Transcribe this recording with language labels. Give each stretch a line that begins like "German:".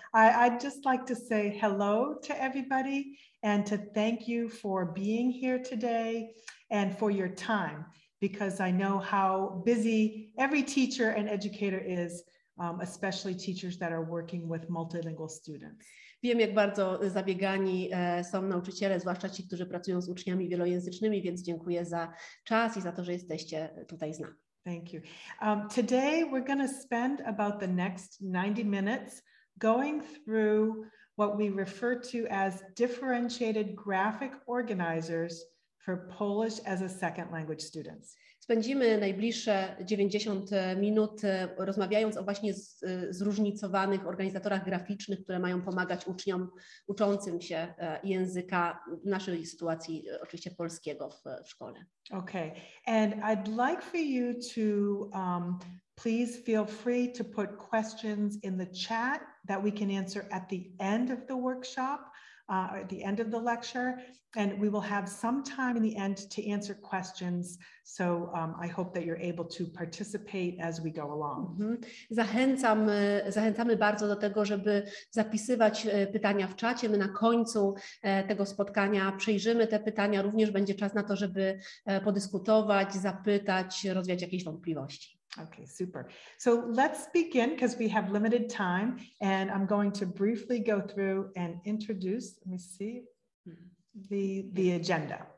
English: I'd just like to say hello to everybody and to thank you for being here today and for your time, because I know how busy every teacher and educator is, especially teachers that are working with multilingual students.
Polish: Wiem, jak bardzo zabiegani są nauczyciele, zwłaszcza ci, którzy pracują z uczniami wielojęzycznymi, więc dziękuję za czas i za to, że jesteście tutaj z nami.
English: Thank you. Today we're going to spend about the next 90 minutes going through what we refer to as differentiated graphic organizers for Polish as a second language students. Spędzimy najbliższe 90 minut rozmawiając o właśnie zróżnicowanych organizatorach graficznych, które mają pomagać uczniom uczącym się języka, w naszej sytuacji oczywiście polskiego w szkole. Okay, and I'd like for you to please feel free to put questions in the chat that we can answer at the end of the workshop. at the end of the lecture, and we will have some time in the end to answer questions. So I hope that you're able to participate as we go along. Mm-hmm.
Polish: Zachęcamy bardzo do tego, żeby zapisywać pytania w czacie. My na końcu tego spotkania przejrzymy te pytania. Również będzie czas na to, żeby podyskutować, zapytać, rozwiać jakieś wątpliwości.
English: Okay, super. So let's begin because we have limited time and I'm going to briefly go through and introduce, let me see, the agenda.